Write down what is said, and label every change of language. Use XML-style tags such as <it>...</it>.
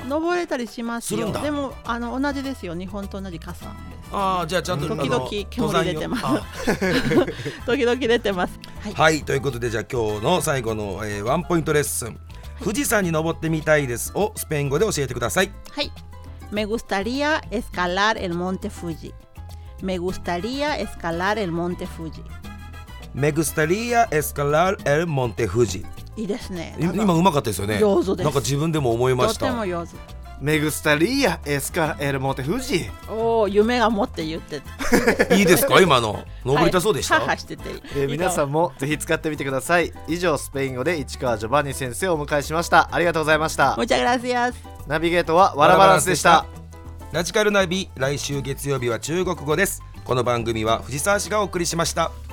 <ja>登れたりしますよ。するんだ。でもあの同じですよ、日本と同じ火山です。あ、じゃあちゃんと、時々煙出てます。時々出てます。はい、はい、ということで、じゃあ今日の最後の、ワンポイントレッスン、富士山に登ってみたいですをスペイン語で教えてください。はい。</ja> <es>Me gustaría escalar el monte Fuji. Me gustaría escalar el monte Fuji. Me gustaría escalar el monte Fuji.</es> <ja>いいですね。今上手かったですよね。上手です。なんか自分でも思いました。とても上手。</ja> <es>Me gustaría escalar el monte Fuji.</es> <ja>おお、夢が持って言ってた。いいですか今の。登りたそうでした。はい、してて、皆さんもぜひ使ってみてください。以上、スペイン語で市川ジョバンニ先生をお迎えしました。ありがとうございました。</ja> <es>Muchas gracias。</es> <ja>ナビゲートはワラバランスでした。ラジカルナビ、来週月曜日は中国語です。この番組は藤沢氏がお送りしました。</ja>